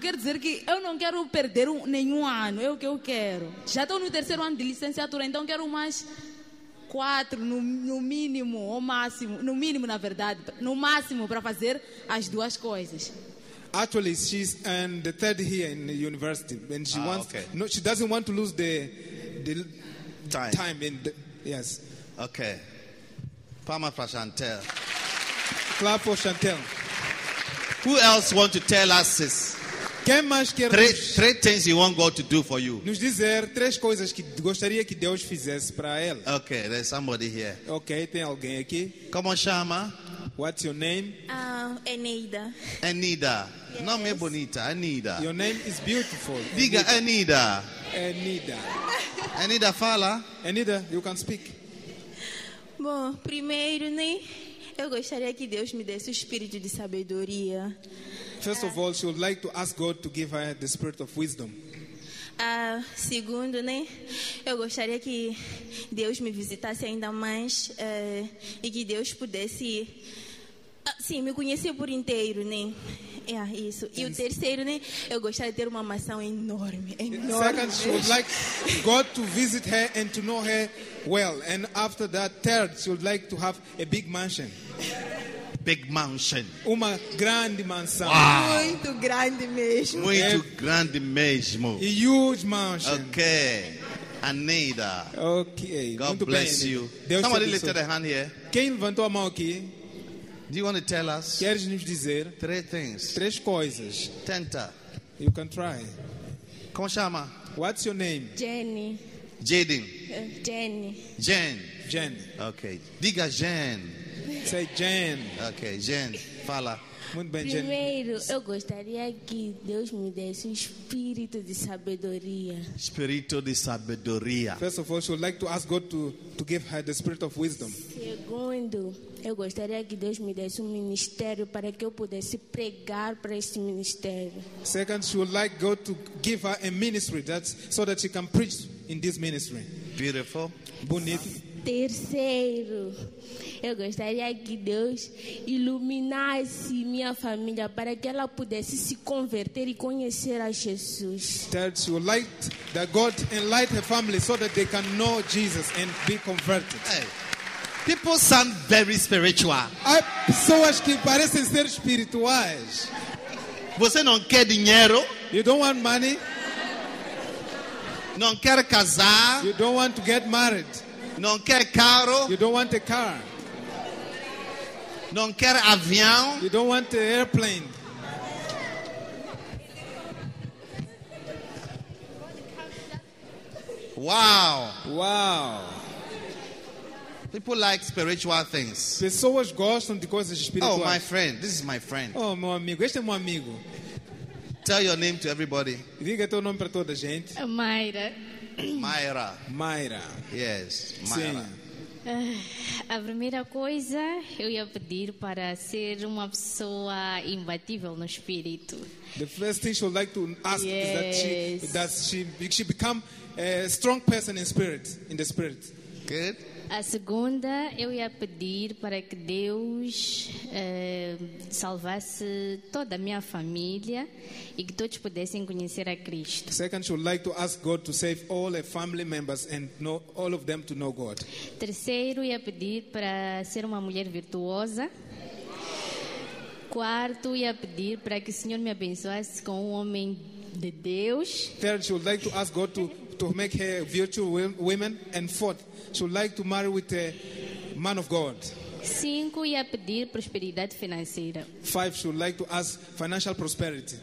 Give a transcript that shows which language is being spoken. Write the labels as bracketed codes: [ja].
[pt] Quer dizer que eu não quero perder nenhum ano. É o que eu quero. Já estou no terceiro ano de licenciatura, então quero mais 4 no mínimo, ou máximo. No mínimo, na verdade. No máximo, para fazer as duas coisas. [en] Actually, she's in the third year in the university. And she wants. Okay. No, she doesn't want to lose the time. In the, yes. [pt] Okay. Palma para Chantel. [en] Clap for Chantel. Who else want to tell us this? [pt] Quem mais quer [en] three things you want God to do for you. [pt] Nos dizer três coisas que gostaria que Deus fizesse para ela. [en] Okay, there's somebody here. [pt] Okay, tem alguém aqui. Como chama? [en] What's your name? Eneida. Eneida. Yes. [pt] Nome é bonita, Eneida. [en] Your name is beautiful. [pt] Diga, Eneida. Eneida. Eneida, fala. [en] Eneida, you can speak. [pt] Bom, primeiro, né? Eu gostaria que Deus me desse o espírito de sabedoria. First of all, she would like to ask God to give her the spirit of wisdom. Segundo, né? Eu gostaria que Deus me visitasse ainda mais e que Deus pudesse, sim, me conhecer por inteiro, né? É isso. E o terceiro, né? Eu gostaria de ter uma mansão enorme, enorme. [en] Second, she would like God to visit her and to know her well. And after that, third, she would like to have a big mansion. Big mansion. [pt] Uma grande mansão. [en] Wow. [pt] Muito grande mesmo. Muito grande mesmo. [en] A huge mansion. Okay. Aneida. Okay. God [pt] muito [en] bless [pt] bem, [en] you. Deus somebody lifted a hand here. [pt] Quem levantou a mão aqui? [en] Do you want to tell us? [pt] Queres nos dizer? [en] Three things. [pt] Três coisas. Tenta. [en] You can try. [pt] Como chama? [en] What's your name? Jenny. Jaden. Jenny. Jen. Jen. [pt] Okay. Diga Jen. [en] Say Jen. [pt] Okay, Jen. Fala. Muito bem, primeiro, Jen. Primeiro, eu gostaria que Deus me desse espírito de sabedoria. Espírito de sabedoria. [en] First of all, she would like to ask God to give her the spirit of wisdom. [pt] Segundo, eu gostaria que Deus me desse ministério para que eu pudesse pregar para esse ministério. [en] Second, she would like God to give her a ministry that's so that she can preach in this ministry. Beautiful. [pt] Bonito. Terceiro, eu gostaria que Deus iluminasse minha família para que ela pudesse se converter e conhecer a Jesus. [en] Third, she would like that God enlighten her family so that they can know Jesus and be converted. Hey. People sound very spiritual. [pt] Há pessoas que parecem ser espirituais. Você não quer dinheiro? [en] You don't want money. [pt] Não quer casar? [en] You don't want to get married. [pt] Não quer carro? [en] You don't want a car. [pt] Não quer avião? [en] You don't want an airplane. Wow. Wow. People like spiritual things. [pt] Pessoas gostam de coisas espirituais. [en] Oh, my friend. This is my friend. [pt] Oh, meu amigo. Este é meu amigo. [en] Tell your name to everybody. [pt] Diga teu nome para toda a gente. Mayra. Mayra. Mayra. [en] Yes, Mayra. [pt] Sim. A primeira coisa eu ia pedir para ser uma pessoa imbatível no espírito. [en] The first thing she would like to ask is that she become a strong person in spirit, in the spirit. Good. [pt] A segunda, eu ia pedir para que Deus salvasse toda a minha família e que todos pudessem conhecer a Cristo. [en] Second, she would like to ask God to save all her family members and know, all of them to know God. [pt] Terceiro, ia pedir para ser uma mulher virtuosa. Quarto, ia pedir para que o Senhor me abençoasse com um homem de Deus. [en] Third, she would like to ask God to make her a virtual woman. And fourth, she would like to marry with a man of God. [pt] Cinco, ia pedir prosperidade financeira. [en] Five, she would like to ask financial prosperity.